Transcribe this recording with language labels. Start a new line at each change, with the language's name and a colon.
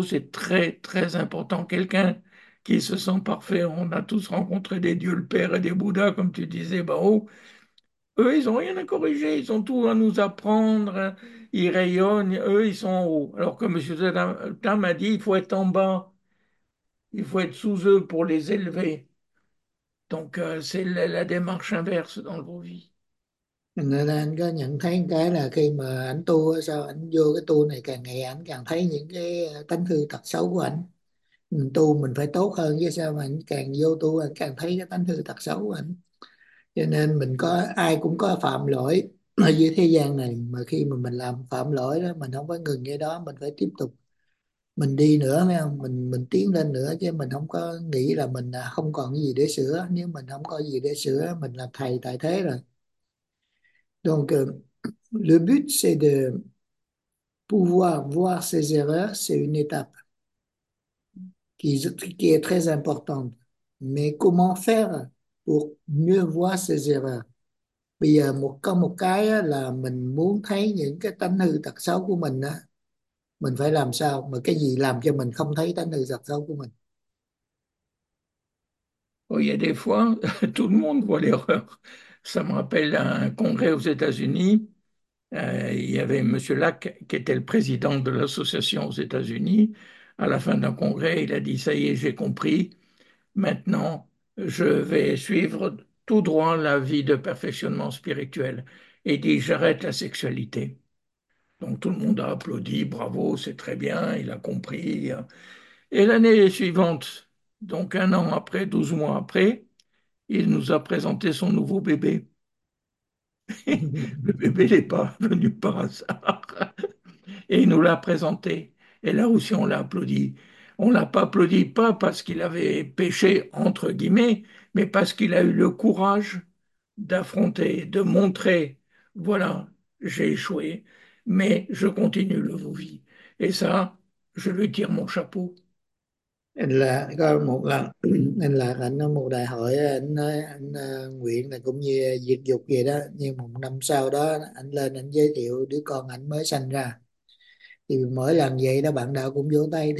French: C'est très, très important. Quelqu'un qui se sent parfait, on a tous rencontré des dieux, le Père et des Bouddhas, comme tu disais, bah oh, eux, ils n'ont rien à corriger, ils ont tout à nous apprendre, ils rayonnent, eux, ils sont en haut. Alors que M. Tam a dit, il faut être en bas, il faut être sous eux pour les élever. Donc, c'est la démarche inverse dans vos vies.
Vietnamese: Nên anh có nhận thấy cái là khi mà ảnh tu sao ảnh vô cái tu này càng ngày ảnh càng thấy những cái tánh hư tật xấu của ảnh. Mình tu mình phải tốt hơn chứ sao mà ảnh càng vô tu ảnh càng thấy cái tánh hư tật xấu của ảnh. Cho nên mình có ai cũng có phạm lỗi ở dưới thế gian này, mà khi mà mình làm phạm lỗi đó mình không có ngừng cái đó, mình phải tiếp tục mình đi nữa, phải không? Mình tiến lên nữa chứ mình không có nghĩ là mình không còn gì để sửa. Nếu mình không có gì để sửa mình là thầy tại thế rồi.
French: Donc, le but, c'est de pouvoir voir ses erreurs. C'est une étape qui est très importante. Mais comment faire pour mieux voir ses erreurs?
Vietnamese: Bây giờ, một cái là mình muốn thấy những cái tánh hư tật xấu của mình á, mình phải làm sao? Mà cái gì làm cho mình không thấy tánh hư tật xấu của mình?
French: Il y a des fois, tout le monde voit l'erreur. Ça me rappelle un congrès aux États-Unis. Il y avait M. Lack, qui était le président de l'association aux États-Unis. À la fin d'un congrès, il a dit, ça y est, j'ai compris. Maintenant, je vais suivre tout droit la vie de perfectionnement spirituel. Et il dit, j'arrête la sexualité. Donc tout le monde a applaudi, bravo, c'est très bien, il a compris. Et l'année suivante, donc un an après, 12 mois après, il nous a présenté son nouveau bébé. Le bébé n'est pas venu par hasard. Et il nous l'a présenté. Et là aussi, on l'a applaudi. On ne l'a pas applaudi, pas parce qu'il avait péché, entre guillemets, mais parce qu'il a eu le courage d'affronter, de montrer, voilà, j'ai échoué, mais je continue le vos vies. Et ça, je lui tire mon chapeau.
Vietnamese: Anh là có một lần anh là anh ở một đại hội anh nói anh nguyện là cũng như diệt dục vậy đó, nhưng một năm sau đó anh lên anh giới thiệu đứa con anh mới sanh ra, thì mỗi lần vậy đó bạn đạo cũng vỗ tay.